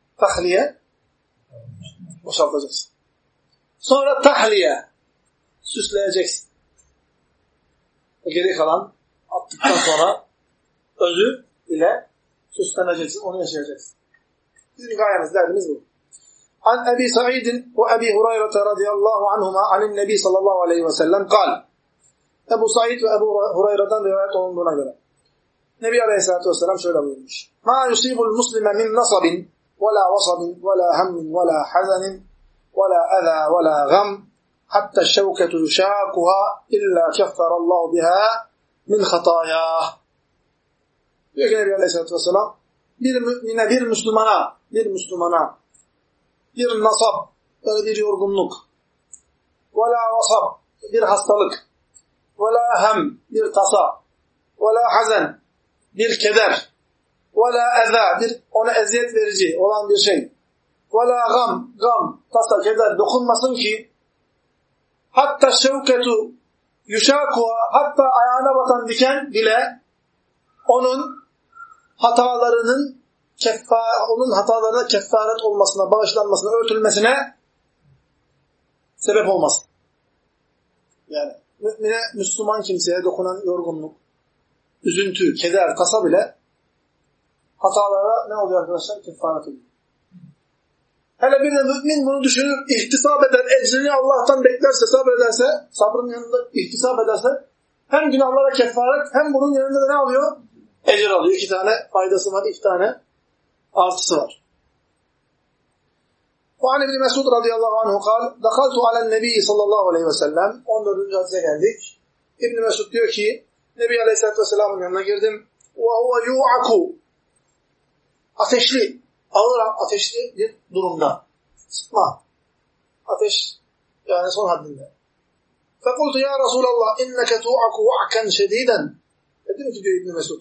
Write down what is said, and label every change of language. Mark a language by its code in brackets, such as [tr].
[tr] Tahliye, boşaltacaksın. Sonra tahliye, süsleyeceksin. O geri kalan attıktan sonra özü ile süsleneceksin, onu yaşayacaksın. Bizim gayemiz, derdimiz bu. [ar] عن أبي سعيد وأبي هريرة رضي الله عنهما عن النبي صلى الله عليه وسلم قال أبو سعيد وأبو هريرة رواية عنهما قال النبي عليه الصلاة والسلام شو يقول ما يصيب المسلم من نصب ولا وصب ولا هم ولا حزن ولا أذى ولا غم حتى الشوكة شاكها إلا كفر الله بها من خطاياه يقول النبي عليه الصلاة والسلام من غير مسلمنا غير مسلمنا [tr] bir nasab, böyle bir yorgunluk. Vela vasab, bir hastalık. Vela hem, bir tasa. Vela hazen, bir keder. Vela eza, bir ona eziyet verici olan bir şey. Vela gam, gam, tasa, keder. Dokunmasın ki hatta [ar] şevketu yuşakua, [tr] hatta ayağına batan diken bile onun hatalarının onun hatalarına kefaret olmasına, bağışlanmasına, örtülmesine sebep olmasın. Yani mümine, Müslüman kimseye dokunan yorgunluk, üzüntü, keder, kasa bile hatalara ne oluyor arkadaşlar? Kefaret ediyor. Hele bir de mümin bunu düşünür, ihtisap eder, ecrini Allah'tan beklerse, sabrederse, sabrın yanında ihtisap ederse, hem günahlara kefaret, hem bunun yanında da ne alıyor? Ecir alıyor. İki tane faydası var, iki tane artısı var. [ar] وعن ابن مسعود رضي الله عنه قال دخلت على النبي صلى الله عليه وسلم 14. [tr] hadise geldik. İbn Mesud diyor ki Nebi Aleyhissalatu vesselam'ın yanına girdim. [ar] Ve huve yu'aku. [tr] Ateşli, ağır ateşli bir durumda. Sıkma. Ateş yani son haddinde. [ar] Fekultu ya Resulallah inneke tu'aku wa'kan şediden. [tr] Dedim ki diyor İbn Mesud.